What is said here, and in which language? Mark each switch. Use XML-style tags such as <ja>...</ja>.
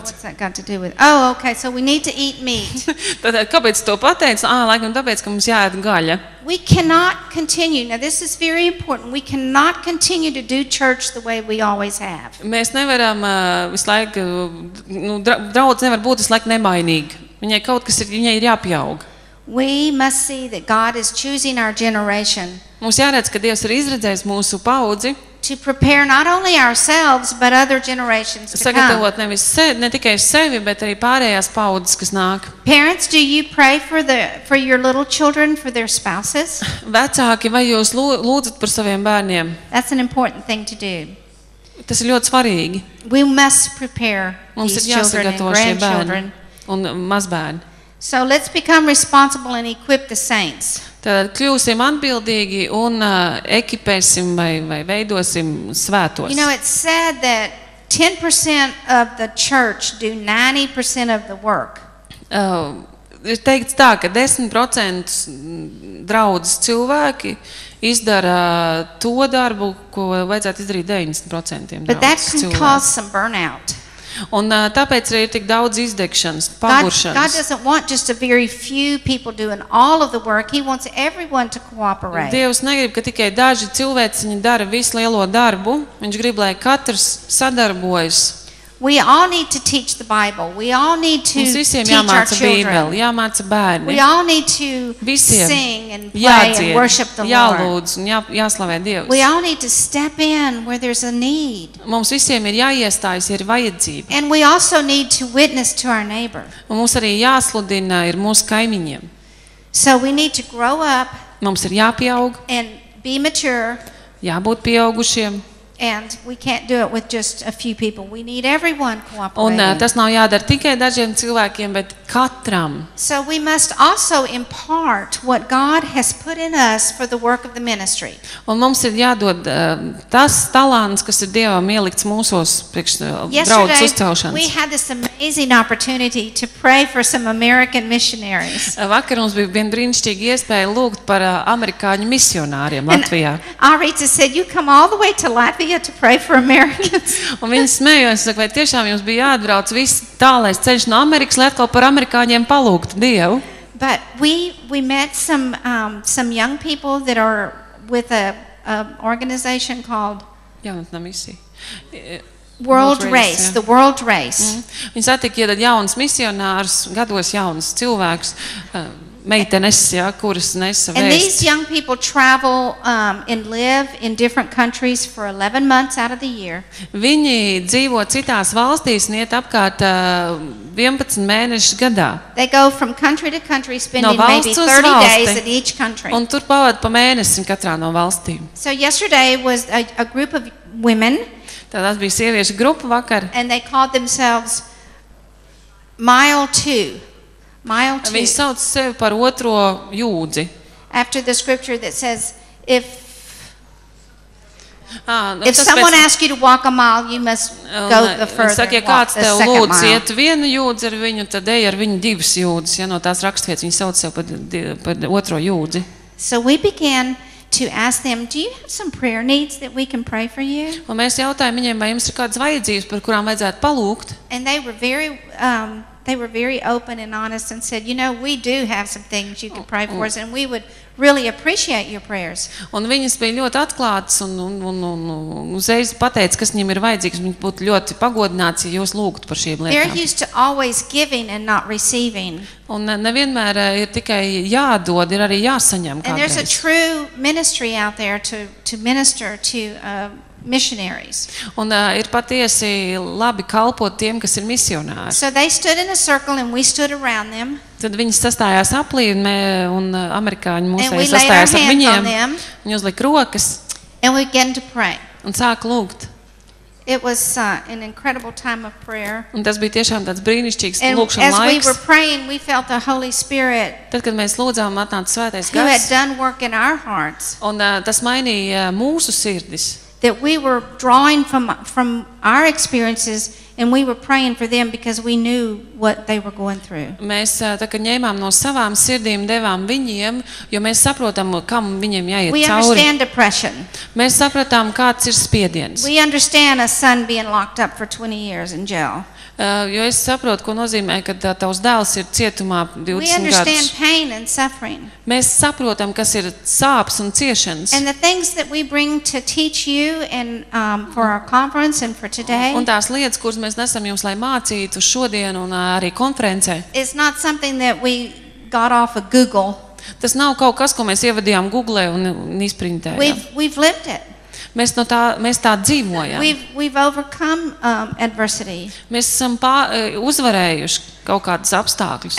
<en>What's that got to do with? Oh, okay, so we need to eat meat.</en> <lv>Tātad, kāpēc to pateicu? Ah, laikam tāpēc, ka mums jāēd gaļa.</lv> <en>We cannot continue. Now this is very important. We cannot continue to do church the way we always have.</en> <lv>Mēs nevaram visu laiku, nu, draudz nevar būt visu laiku nemainīgi. Viņai kaut kas ir, viņai ir jāpieaug.</lv> <en>We must see that God is choosing our generation.</en> <lv>Mums jāredz, ka Dievs ir izredzējis mūsu paudzi.</lv> <en>To prepare not only ourselves but other generations to come.</en> <lv>Sagatavot nevis sevi, ne tikai sevi, bet arī pārējās paudzes, kas nāk.</lv> <en>Parents, do you pray for your little children, for their spouses?</en> <lv>Vecāki, vai jūs lūdzat par saviem bērniem?</lv> <en>That's an important thing to do.</en> <lv>Tas ir ļoti svarīgi.</lv> <en>We must prepare</en> <lv>mums</lv> <en>these children and grandchildren.</en> <lv>Un mazbērni.</lv> <en>So let's become responsible and equip the saints.</en> <lv>Tad kļūsim atbildīgi un ekipēsim vai veidosim svētos.</lv> <en>You know, it's said that 10% of the church do 90% of the work.</en> <lv>Ir teikts tā, ka 10% draudzes cilvēki izdara to darbu, ko vajadzētu izdarīt 90% draudzes cilvēki.</lv> <en>But that can cause some burnout.</en> <lv>Un tāpēc arī ir tik daudz izdegšanas, pagūršanas.</lv> <en>God doesn't want just a very few people doing all of the work. He wants everyone to cooperate.</en> <lv>Dievs negrib, ka tikai daži cilvēciņi dara visu lielo darbu. Viņš grib, lai katrs sadarbojas.</lv> <en>We all need to teach the Bible. We all need to teach our</en> <lv>jāmāca Bībeli, jāmāca bērni.</lv> <en>We all need to sing and play</en> <lv>jādzied,</lv> <en>and worship the</en> <lv>jālūdz,</lv> <en>Lord.</en> <lv>Un jāslavē Dievus.</lv> <en>We all need to step in where there's a need.</en> <lv>Mums visiem ir jāiestājas, ir vajadzība.</lv> <en>And we also need to witness to our neighbor.</en> <lv>Un mums arī jāsludina ir mūsu kaimiņiem.</lv> <en>So we need to grow up.</en> <lv>Mums ir jāpieaug.</lv> <en>And be mature.</en> <lv>Jābūt pieaugušiem.</lv> <en>And we can't do it with just a few people. We need everyone cooperating.</en> <lv>Un tas nav jādara tikai dažiem cilvēkiem, bet katram.</lv> <en>So we must also impart what God has put in us for the work of the ministry.</en> <lv>Un mums ir jādod tas talants, kas ir Dievam ielikts mūsos priekš draudzes uzcelšanas.</lv> <en>We had this amazing opportunity to pray for some American missionaries.</en> <lv>Vakar mums bija vien brīnišķīga iespēja lūgt par amerikāņu misionāriem Latvijā.</lv> <en>Arita said, you come all the way to Latvia. Latvia to pray for Americans.</en> <lv>Un viņi smējās, saka, vai tiešām jums bija jāatbrauc viss tālais ceļš no Amerikas, lai atkal par amerikāņiem palūgtu Dievu.</lv> <en>But we met some young people that are with a organization called</en> <lv>Jaunatnā misija.</lv> <en>World Race, the World Race.</en> <lv>Viņi satika tad jaunas misionārs, gados jaunas cilvēks, meitenes, ja, kuras nesa vēst.</lv> <en>And these young people travel and live in different countries for 11 months out of the year.</en> <lv>Viņi dzīvo citās valstīs un iet apkārt 11 mēnešus gadā.</lv> <en>They go from country to country spending</en> <lv>no</lv> <en>maybe 30 days in each country.</en> <lv>Un tur pavada pa mēnesim katrā no valstīm.</lv> <en>So yesterday was a group of women.</en> <lv>Tātad bija sieviešu grupa vakar.</lv> <en>And they called themselves Mile 2.</en> <lv>Viņi sauc sevi par otro jūdzi.</lv> <en>After the scripture that says if nu, if someone asks you to walk a mile, you must go the further.</en> <lv>Saka, ja kāds tev lūdz iet vienu jūdzi ar viņu, tad ej ar viņu divas jūdzes, ja no tās rakstvietas viņi sauc sevi par otro jūdzi.</lv> <en>So we began to ask them, do you have some prayer needs that we can pray for you?</en> <lv>Un mēs jautājām viņiem, vai jums ir kādas vajadzības, par kurām vajadzētu palūgt?</lv> <en>And they were very they were very open and honest and said, you know, we do have some things you can pray for us and we would really appreciate your prayers.</en> <lv>Un viņas bija ļoti atklātas un uzreiz pateica, kas viņiem ir vajadzīgs. Viņi būtu ļoti pagodināti, ja jūs lūgtu par šiem lietām.</lv> <en>They're used to always giving and not receiving.</en> <lv>Un nevienmēr ir tikai jādod, ir arī jāsaņem kādreiz.</lv> <en>And there's a true ministry out there to minister to missionaries.</en> <lv>Un ir patiesi labi kalpot tiem, kas ir misionāri.</lv> <en>So they stood in a circle and we stood around them.</en> <lv>Tad viņi sastājās aplī un amerikāņi mūs sastājās ar viņiem. Viņi uzlika rokas.</lv> <en>And we began to pray.</en> <lv>Un sāk lūgt.</lv> <en>It was an incredible time of prayer.</en> <lv>Un tas bija tiešām tāds brīnišķīgs lūkšanas laiks.</lv> <en>we were praying, we felt the Holy Spirit.</en> <lv>Tad, kad mēs lūdzām, atnāca Svētais Gars.</lv> <en>Who had done work in our hearts.</en> <lv>Un tas mainīja mūsu sirdis.</lv> <en>That we were drawing from our experiences And we were praying for them because we knew what they were going through.</en> <lv>Mēs tā kā ņēmām no savām sirdīm, devām viņiem, jo mēs saprotam, kam viņiem jāiet cauri.</lv> <en>We understand depression.</en> <lv>Mēs sapratām, kāds ir spiediens.</lv> <en>We understand a son being locked up for 20 years in jail.</en> <lv>Jo es saprotu, ko nozīmē, ka tavs dēls ir cietumā 20 gadus.</lv> <en>We understand pain and suffering.</en> <lv>Mēs saprotam, kas ir sāps un ciešanas.</lv> <en>And the things that we bring to teach you and for our conference and for today.</en> <lv>Un tās lietas, kuras mēs nesam jums, lai mācītu šodien un arī konferencē.</lv> <en>It's not something that we got off of Google.</en> <lv>Tas nav kaut kas, ko mēs ievadījām Google un izprintējām.</lv> <en>We've lived it.</en> <lv>Mēs no tā, mēs tā dzīvojam.</lv> <en>We've overcome adversity.</en> <lv>Mēs esam uzvarējuši kaut kādas apstākļus.</lv>